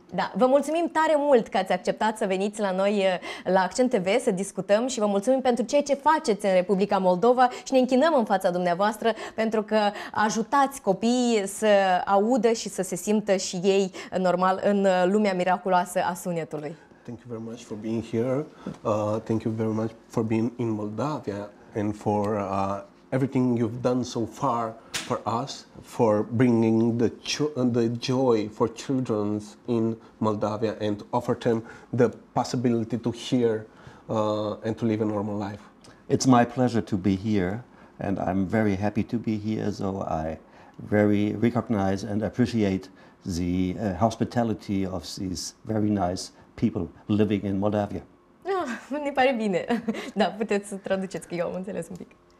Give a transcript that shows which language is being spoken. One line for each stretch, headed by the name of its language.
Romanian: Da, vă mulțumim tare mult că ați acceptat să veniți la noi la Accent TV să discutăm și vă mulțumim pentru ceea ce faceți în Republica Moldova și ne închinăm în fața dumneavoastră pentru că ajutați copiii să audă și să se simtă și ei normal în lumea miraculoasă a sunetului.
English: Thank you very much for being here. Thank you very much for being in Moldova and for everything you've done so far for us, for bringing the joy for children in Moldova and offer them the possibility to hear and to live a normal life. It's my pleasure to be here and I'm very happy to be here, so I very recognize and appreciate the hospitality of these very nice people living in Moldova.
Romanian: Ne pare bine. Da, puteți să traduceți, că eu am înțeles un pic.